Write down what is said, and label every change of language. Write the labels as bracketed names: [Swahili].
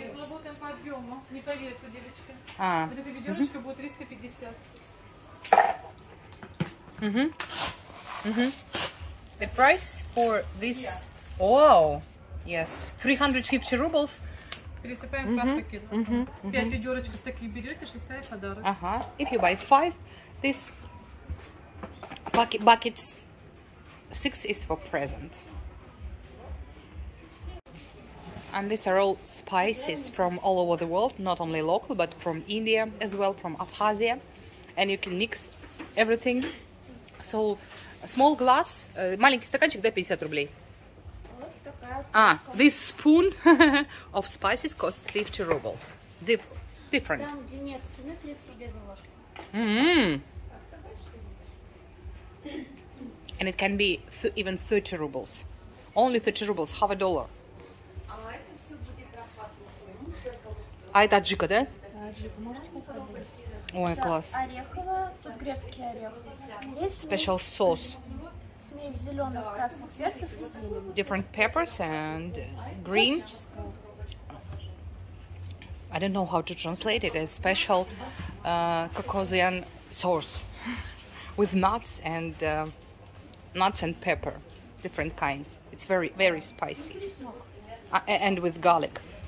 [Russian] Мы работаем по объему, не по весу, девочка. Вот эта ведерочка будет 350. [English] Угу. Угу. The price for this... Wow! Yes, 350 rubles. [Russian] Пересыпаем в пакет. Пять ведерочек такие берете, шестая подарок. Ага. [English] If you buy five, this bucket six is for present. And these are all spices from all over the world, not only local, but from India as well, from Abkhazia. And you can mix everything. So, small glass, [Russian] маленький стаканчик, да, [English] 50 рублей. Ah, this spoon of spices costs 50 rubles. Different. Mm-hmm. And it can be even 30 rubles. Only 30 rubles, half a dollar. [Russian] А это аджика, да? Аджика. Ой, класс. Орехово, тут грецкий орех. Здесь [English] special sauce. [Russian] Смесь зеленых, красных перцев и зелени. [English] Different peppers and green. I don't know how to translate it. A special Caucasian sauce with nuts and nuts and pepper, different kinds. It's very very spicy. And with garlic.